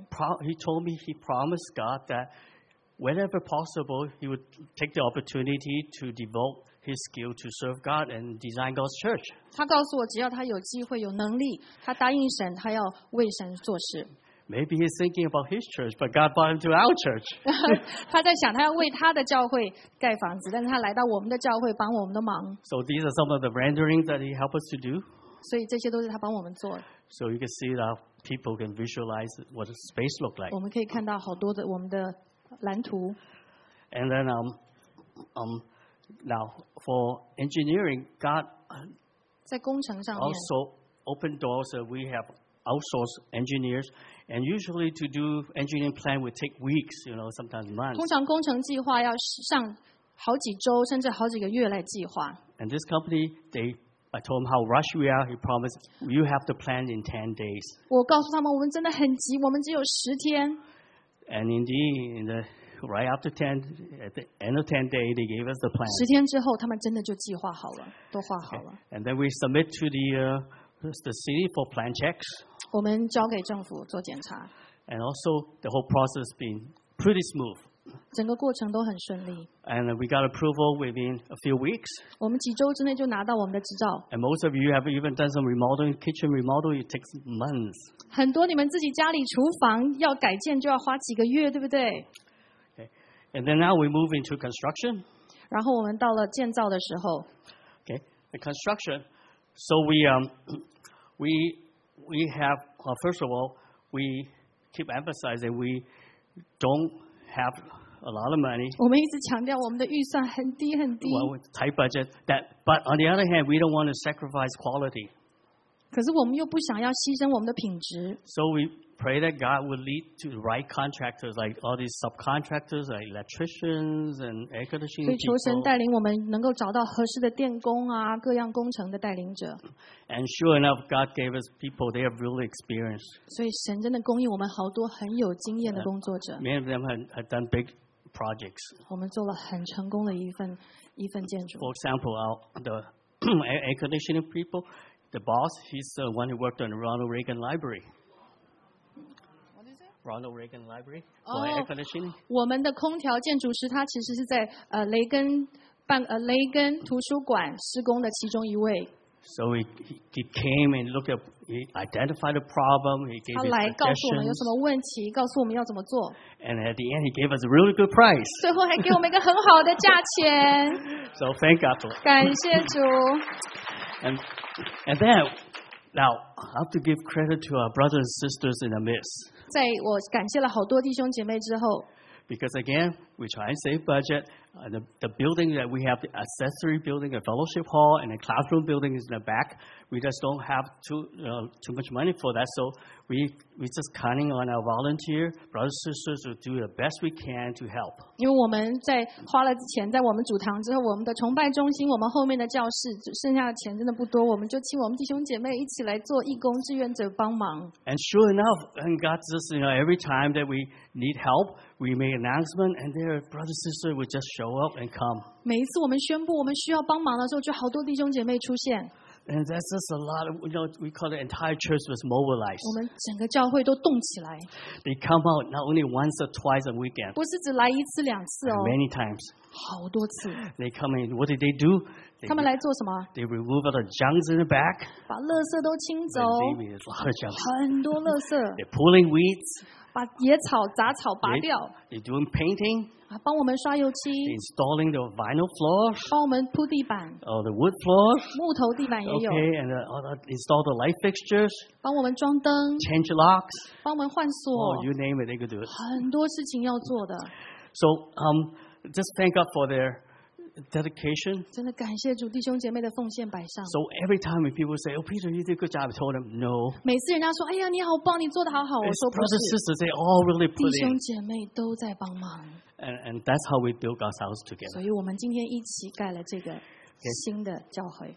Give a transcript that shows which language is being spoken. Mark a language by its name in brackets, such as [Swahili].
[English] He told me he promised God that whenever possible, he would take the opportunity to devote his skill to serve God and design God's church. [Chinese] 他告诉我，只要他有机会、有能力，他答应神，他要为神做事。 [English] Maybe he's thinking about his church, but God brought him to our church. [Chinese] 他在想，他要为他的教会盖房子，但是他来到我们的教会帮我们的忙。 [English] So these are some of the rendering that he helped us to do. [Chinese] 所以这些都是他帮我们做的。 [English] So you can see that people can visualize what the space looked like. [Chinese] 我们可以看到好多的我们的蓝图。 [English] And then now for engineering, God [Chinese] 在工程上面 [English] also open doors that we have outsourced engineers. And usually to do engineering plan would take weeks, you know, sometimes months. [Chinese] 通常工程计划要上好几周甚至好几个月来计划。 [English] And this company, I told him how rushed we are. He promised you have to plan in 10 days. [Chinese] 我告诉他们我们真的很急，我们只有十天。 [English] And indeed, right after 10, at the end of 10 days, they gave us the plan. [Chinese] 十天之后，他们真的就计划好了，都画好了。 [English] And then we submit to the city for plan checks. [Chinese] 我们交给政府做检查。 [English] And also, the whole process has been pretty smooth. [Chinese] 整个过程都很顺利。 [English] And we got approval within a few weeks. [Chinese] 我们几周之内就拿到我们的执照。 [English] And most of you have even done some remodeling, kitchen remodel, it takes months. [Chinese] 很多你们自己家里厨房要改建就要花几个月，对不对？ [English] And then now we move into construction. [Chinese] 然后我们到了建造的时候。 [English] Okay, the construction. So we have, well, first of all, we keep emphasizing we don't have a lot of money. [Chinese] 我们一直强调我们的预算很低很低。 [English] Well, tight budget. But on the other hand, we don't want to sacrifice quality. [Chinese] 可是我们又不想要牺牲我们的品质。 [English] So we pray that God would lead to the right contractors, like all these subcontractors, like electricians and air conditioning people. [Chinese] 所以求神带领我们能够找到合适的电工啊，各样工程的带领者。 [English] And sure enough, God gave us people; they have really experienced. [Chinese] 所以神真的供应我们好多很有经验的工作者。 [English] Many of them had done big projects. [Chinese] 我们做了很成功的一份建筑。 [English] For example, the air conditioning people, the boss, he's the one who worked on the Ronald Reagan Library. Ronald Reagan Library for air conditioning. [Chinese] 我们的空调建筑师他其实是在雷根图书馆施工的其中一位。 [English] So he came and looked up, he identified the problem, he gave his suggestions. [Chinese] 他来告诉我们有什么问题，告诉我们要怎么做。 [English] And at the end, he gave us a really good price. [Chinese] 最后还给我们一个很好的价钱。 [English] So thank God. [Chinese] 感谢主。 [English] And then, now I have to give credit to our brothers and sisters in the midst. [Chinese] 在我感谢了好多弟兄姐妹之后 [English] ，Because again, we try and save budget. The building that we have, the accessory building, a fellowship hall, and a classroom building is in the back. We just don't have too much money for that. So we just counting on our volunteer brothers and sisters to do the best we can to help. [Chinese] 因为我们在花了钱在我们主堂之后，我们的崇拜中心，我们后面的教室剩下的钱真的不多，我们就请我们弟兄姐妹一起来做义工志愿者帮忙。 [English] And sure enough, and God just, you know, every time that we need help, we make announcement, and their brothers and sisters would just show show up and come. [Chinese] 每一次我们宣布我们需要帮忙的时候，就好多弟兄姐妹出现。 [English] And that's just a lot of, you know, we call the entire church was mobilized. [Chinese] 我们整个教会都动起来。 [English] They come out not only once or twice a weekend. [Chinese] 不是只来一次两次哦。 [English] Many times. [Chinese] 好多次。 [English] They come in. What did they do? [Chinese] 他们来做什么？ [English] They remove all the junk in the back. [Chinese] 把垃圾都清走。 [English] They leave a lot of junk. [Chinese] 很多垃圾。 [English] They're pulling weeds. [Chinese] 把野草杂草拔掉。 [English] They're doing painting. [Chinese] 帮我们刷油漆 [English] ，installing the vinyl floors， [Chinese] 帮我们铺地板 [English] ，or the wood floors， [Chinese] 木头地板也有 [English] ，okay， and install the light fixtures， [Chinese] 帮我们装灯 [English] ，change locks， [Chinese] 帮我们换锁 [English] ，oh， you name it， they could do it， [Chinese] 很多事情要做的 [English] ，so just thank God for their dedication， [Chinese] 真的感谢主弟兄姐妹的奉献摆上 [English] ，so every time people say， oh Peter， you did a good job， I told them no， [Chinese] 每次人家说，哎呀，你好棒，你做得好好，我说不是 [English] ，brothers sisters they all really put in， [Chinese] 弟兄姐妹都在帮忙。 [English] And that's how we build God's house together. [Chinese] 所以我们今天一起盖了这个新的教会。